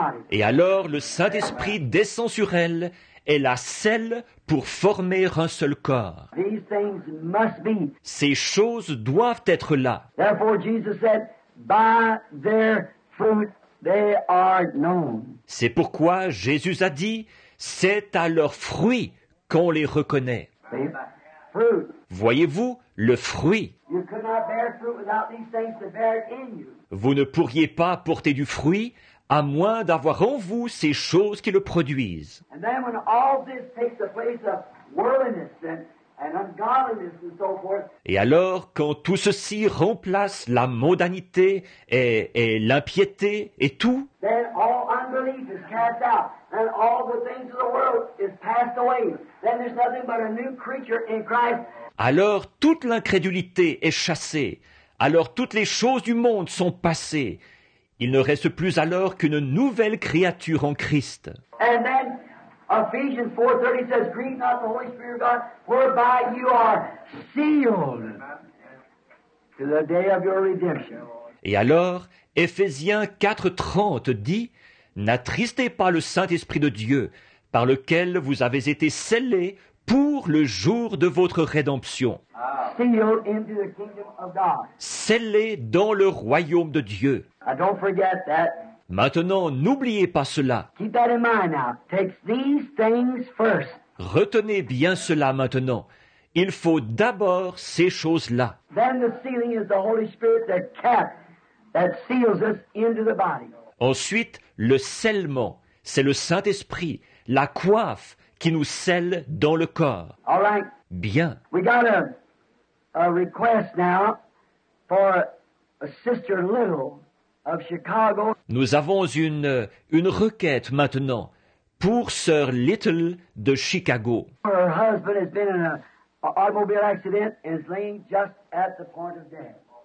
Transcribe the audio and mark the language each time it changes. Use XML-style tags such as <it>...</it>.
<fr>Et alors, le Saint-Esprit descend sur elle et la scelle pour former un seul corps.</fr> <en>These things must be.</en> <fr>Ces choses doivent être là.</fr> <en>Therefore, Jesus said, by their fruit they are known.</en> <fr>C'est pourquoi Jésus a dit, c'est à leurs fruits qu'on les reconnaît.</fr> <en>Fruit.</en> <fr>Voyez-vous, le fruit.</fr> <en>You could not bear fruit without these things to bear it in you.</en> <fr>Vous ne pourriez pas porter du fruit à moins d'avoir en vous ces choses qui le produisent.</fr> <en>And then when all this takes the place of worldliness and ungodliness and so forth.</en> <fr>Et alors, quand tout ceci remplace la mondanité et l'impiété et tout,</fr> <en>then all unbelief is cast out, and all the things of the world is passed away. Then there's nothing but a new creature in Christ.</en> <fr>Alors, toute l'incrédulité est chassée. Alors, toutes les choses du monde sont passées. Il ne reste plus alors qu'une nouvelle créature en Christ.</fr> <en>And then, Ephesians 4:30 says, "Grieve not the Holy Spirit of God, whereby you are sealed to the day of your redemption."</en> <fr>Et alors, Ephésiens 4:30 dit, "N'attristez pas le Saint-Esprit de Dieu, par lequel vous avez été scellés pour le jour de votre rédemption."</fr> <en>Sealed into the kingdom of God.</en> <fr>Scellés dans le royaume de Dieu.</fr> <en>I don't forget that.</en> <fr>Maintenant, n'oubliez pas cela.</fr> <en>Keep that in mind now. Take these things first.</en> <fr>Retenez bien cela maintenant. Il faut d'abord ces choses-là.</fr> <en>Then the sealing is the Holy Spirit, the cap that seals us into the body.</en> <fr>Ensuite, le scellement, c'est le Saint-Esprit, la coiffe qui nous scelle dans le corps.</fr> <en>All right.</en> <fr>Bien.</fr> <en>We got a request now for a Sister Little of Chicago.</en> <fr>nous avons une requête maintenant pour Sœur Little de Chicago.</fr> <en>Her husband has been in an automobile accident and is laying just at the point of death.</en>